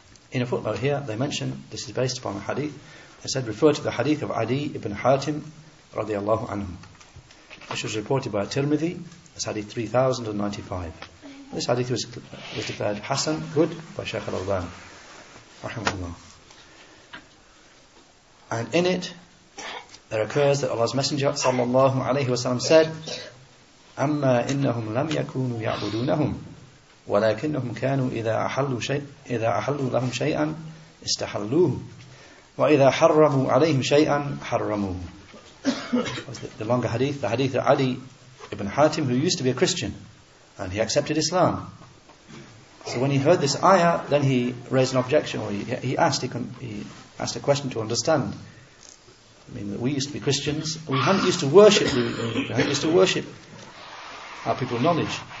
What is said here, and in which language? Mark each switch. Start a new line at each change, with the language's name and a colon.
English: In a footnote here, they mention, this is based upon a hadith, they said, refer to the hadith of Adi ibn Hatim, radiallahu anhu, which was reported by Tirmidhi, as hadith 3095. This hadith was declared Hassan, good, by Shaykh al-Alban, rahimahullah. And in it, there occurs that Allah's Messenger sallallahu alayhi wa sallam said,
Arabic: أَمَّا إِنَّهُمْ لَمْ يَكُونُوا يَعْبُدُونَهُمْ وَلَكِنَّهُمْ كَانُوا إِذَا أَحَلُّوا لَهُمْ شَيْئًا إِسْتَحَلُّوهُ وَإِذَا حَرَّمُوا عَلَيْهِمْ شَيْئًا حَرَّمُوهُ.
English: The longer hadith, the hadith of Ali ibn Hatim, who used to be a Christian, and he accepted Islam. So when he heard this ayah, then he raised an objection, or he asked a question to understand. I mean, we used to be Christians. We hadn't used to worship our people of knowledge.